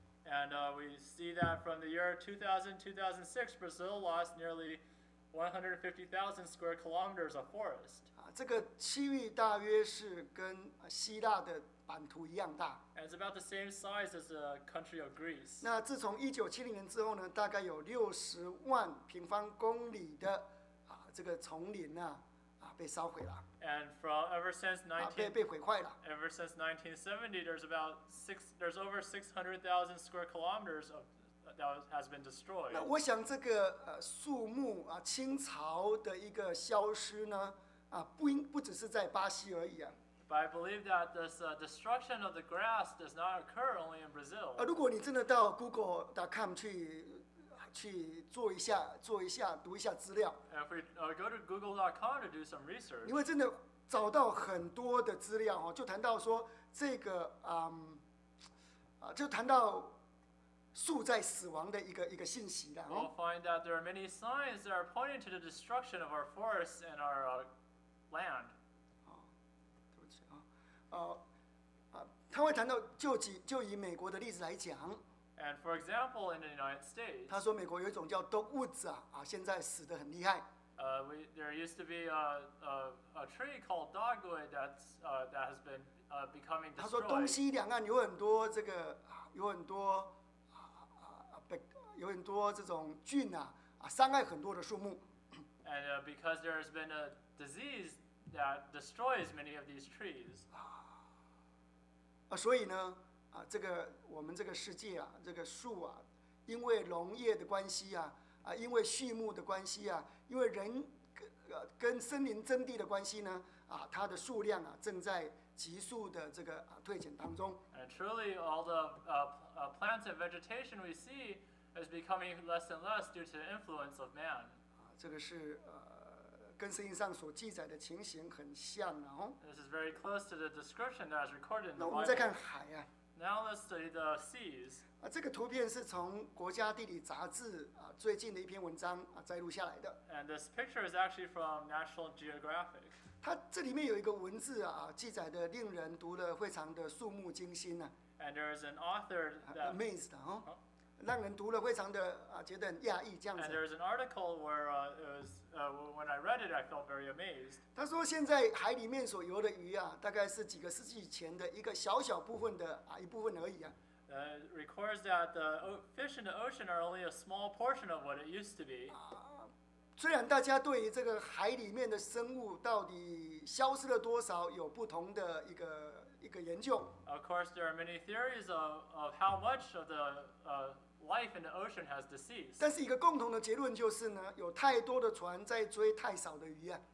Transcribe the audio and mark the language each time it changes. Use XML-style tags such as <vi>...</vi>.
<en>And we see that from the year 2000-2006, Brazil lost nearly 150,000 square kilometers of forest.</en> <zh>这个区域大约是跟希腊的版图一样大。</zh> <en>And it's about the same size as the country of Greece.</en> <zh>那自从1970年之后大概有600,000平方公里的这个丛林被烧毁了。</zh> <en>And from ever since 19</en> <zh>被毁坏了。</zh> <en>Ever since 1970, there's over 600,000 square kilometers of that has been destroyed.</en> <zh>那我想这个树木清朝的一个消失不只是在巴西而已。</zh> <en>But I believe that this destruction of the grass does not occur only in Brazil.</en> <zh>如果你真的到 google.com 去做一下读一下资料。</zh> <en>If we go to google.com to do some research.</en> <zh>你会真的找到很多的资料就谈到说这个就谈到树在死亡的一个信息的。</zh> <en>We'll find that there are many signs that are pointing to the destruction of our forests and our land.</en> <zh>他会谈到就以美国的例子来讲。</zh> <en>And for example, in the United States,</en> <zh>他说美国有一种叫 dog woods 现在死得很厉害。</zh> <en>There used to be a tree called dogwood that has been becoming destroyed.</en> <zh>他说东西两岸有很多这个有很多这种菌伤害很多的树木。</zh> <en>And because there has been a disease that destroys many of these trees.</en> <zh>所以呢，这个我们这个世界这个树因为农业的关系因为畜牧的关系因为人 跟森林征地的关系呢它的数量正在急速的这个退减当中。</zh> <en>And truly, all the plants and vegetation we see is becoming less and less due to the influence of man.</en> <zh>这个是跟圣经上所记载的情形很像哦。</zh> <en>This is very close to the description that is recorded in the Bible.</en> <zh>那我们再看海</zh> <en>Now let's study the seas.</en> <zh>这个图片是从国家地理杂志最近的一篇文章摘录下来的。</zh> <en>And this picture is actually from National Geographic.</en> <zh>它这里面有一个文字记载的令人读了非常的肃穆惊心</zh> <en>And there is an author that amazed</en> <zh>让人读了非常的觉得很讶异这样子。</zh> <en>And there is an article where when I read it, I felt very amazed.</en> <zh>他说现在海里面所游的鱼大概是几个世纪前的一个小小部分的一部分而已</zh> <en>records that the fish in the ocean are only a small portion of what it used to be.</en> <zh>虽然大家对于这个海里面的生物到底消失了多少有不同的一个研究。</zh> <en>Of course, there are many theories of how much of the life in the ocean has deceased.</en> <zh>但是一个共同的结论就是呢，有太多的船在追太少的鱼啊。</zh>